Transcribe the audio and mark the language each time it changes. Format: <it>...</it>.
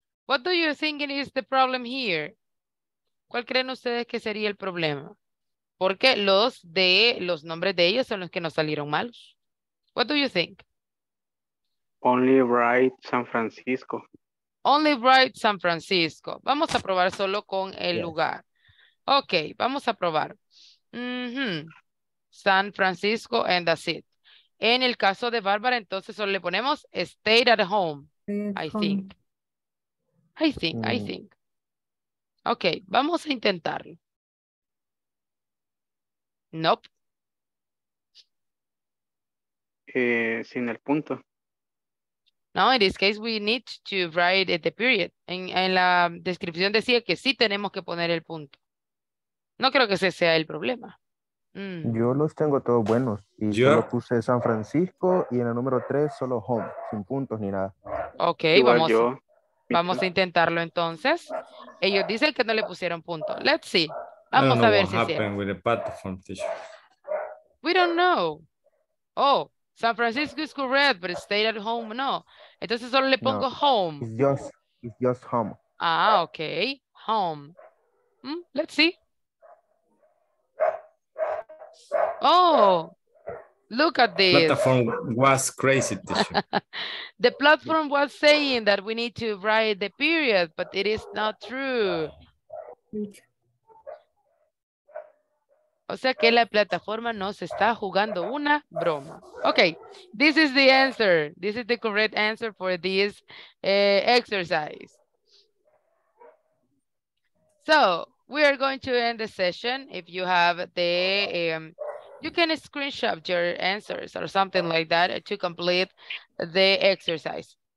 <en>What do you think is the problem here?</en> <es>¿Cuál creen ustedes que sería el problema? Porque los nombres de ellos son los que nos salieron malos.</es> <en>What do you think? Only write San Francisco. Only write San Francisco.</en> <es>Vamos a probar solo con el lugar. Okay, vamos a probar. Mm-hmm. San Francisco</es> <en>and that's it.</en> <es>En el caso de Bárbara, entonces solo le ponemos</es> <en>stayed at home. I think.</en> <es>Okay, vamos a intentarlo.</es> <en>Nope.</en> <es>Sin el punto.</es> <en>No, in this case, we need to write the period.</en> <es>En la descripción decía que sí tenemos que poner el punto. No creo que ese sea el problema. Yo los tengo todos buenos. Y yo solo puse San Francisco y en el número 3 solo home, sin puntos ni nada. Ok, vamos a intentarlo entonces. Ellos dicen que no le pusieron punto.</es> <en>Let's see.</en> <es>Vamos a ver si es cierto.</es> <en>With the platform teacher. We don't know. Oh, San Francisco is correct, but stay at home, no.</en> <es>Entonces solo le pongo home.</es> <en>It's just home. Ah, okay. Home. Let's see. Oh, look at this. Platform was crazy. The platform was saying that we need to write the period, but it is not true.</en> <es>O sea que la plataforma nos está jugando una broma.</es> <en>Okay, this is the answer. This is the correct answer for this exercise. So, we are going to end the session. If you have the, you can screenshot your answers or something like that to complete the exercise.</en>